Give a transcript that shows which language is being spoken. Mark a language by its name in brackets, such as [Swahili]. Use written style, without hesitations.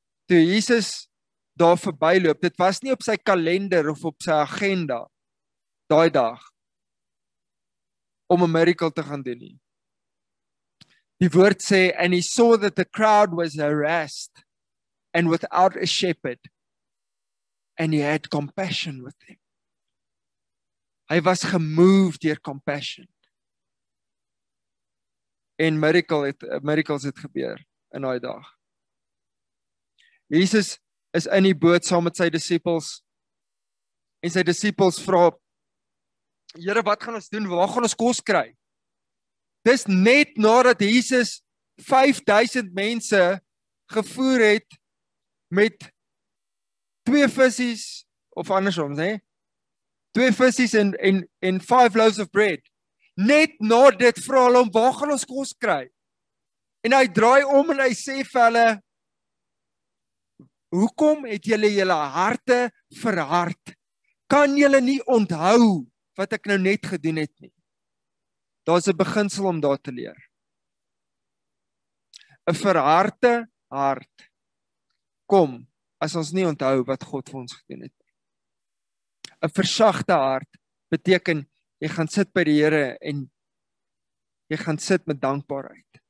[Afrikaans] Toe Jesus daar verby loop, dit was nie op sy kalender of op sy agenda, daai dag, om 'n miracle te gaan doen nie. Die woord sê, [English] and he saw that the crowd was harassed and without a shepherd, and he had compassion with them. [Afrikaans] Hy was gemoved deur compassion. En miracles het gebeur in daai dag. Jesus is in die boot saam met sy disippels, en sy disippels vra, Here, wat gaan ons doen? Waar gaan ons kos kry? Dis net nadat Jesus 5000 mense gevoer het met 2 visies, of andersom, nee, 2 visies en [English] 5 loaves of bread. [Afrikaans] Net na dit vra hulle om, waar gaan ons kos kry? En hy draai om en hy sê vir hulle, hoekom het julle julle harte verhard? Kan julle nie onthou wat ek nou net gedoen het nie? Daar is 'n beginsel om daar te leer. 'N verharde hart kom as ons nie onthou wat God vir ons gedoen het. 'N versagte hart beteken jy gaan sit by die Here en jy gaan sit met dankbaarheid.